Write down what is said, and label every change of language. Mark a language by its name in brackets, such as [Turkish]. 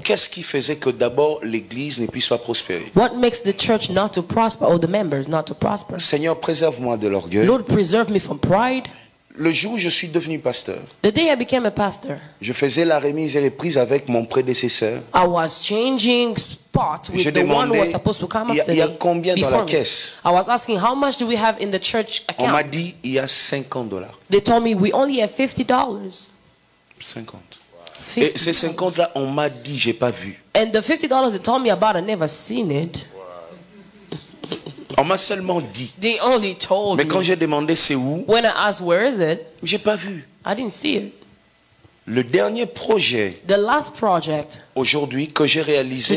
[French] Qu'est-ce qui faisait que d'abord l'église ne puisse pas prospérer? [English] What makes the church not to prosper or the members not to prosper? [French] Seigneur, préserve-moi de l'orgueil. [English] Lord, preserve me from pride. [French] Le jour où je suis devenu pasteur. [English] The day I became a pastor. [French] Je faisais la remise et reprise avec mon prédécesseur. [English] I was changing spots with the one who was supposed to come after me. [French] Il y a combien dans la caisse? [English] I was asking how much do we have in the church account? [French] On m'a dit il y a $50. [English] They told me we only have $50. [French] 50. Et ces 50 là, on m'a dit, j'ai pas vu. [English] And the $50 they told me about, I never seen it. [French] On m'a seulement dit. [English] They only told me. [French] Mais quand j'ai demandé, c'est où? [English] When I asked, where is it? [French] J'ai pas vu. [English] I didn't see it. [French] Le dernier projet. [English] The last project. [French] Aujourd'hui, que j'ai réalisé.